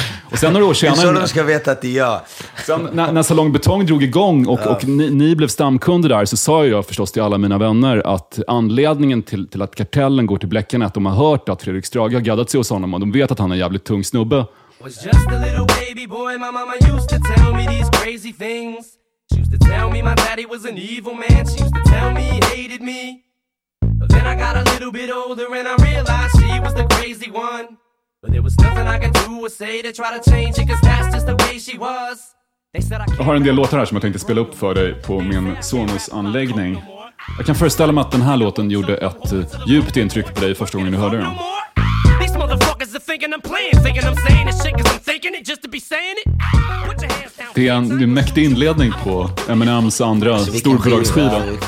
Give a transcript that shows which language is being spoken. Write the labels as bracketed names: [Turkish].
[Swedish] Och sen några år senare, det är så de ska veta att det är jag. Sen, när Salong Betong drog igång och ni blev stamkunder där, så sa jag förstås till alla mina vänner att anledningen till att kartellen går till bläckan är att de har hört att Fredrik Strage har gaddat sig hos honom, och de vet att han är en jävligt tung snubbe. [English] Was just a little baby boy, my mama used to tell me these crazy things. She used to tell me my daddy was an evil man. She used to tell me he hated me. But then I got a little bit older and I realized she was the crazy one. But there was nothing I could do or say to try to change it, 'cause that's just the way she was. They said I can't. [Swedish] Jag har en del låtar här som jag tänkte spela upp för dig på min Sonos-anläggning. Jag kan föreställa mig att den här låten gjorde ett djupt intryck på dig första gången du hörde den. [English] These motherfuckers are thinking I'm playing, thinking I'm saying this shit 'cause I'm thinking it just to be saying it. [Swedish] Det är en mäktig inledning på Eminems andra storbolagsskiva.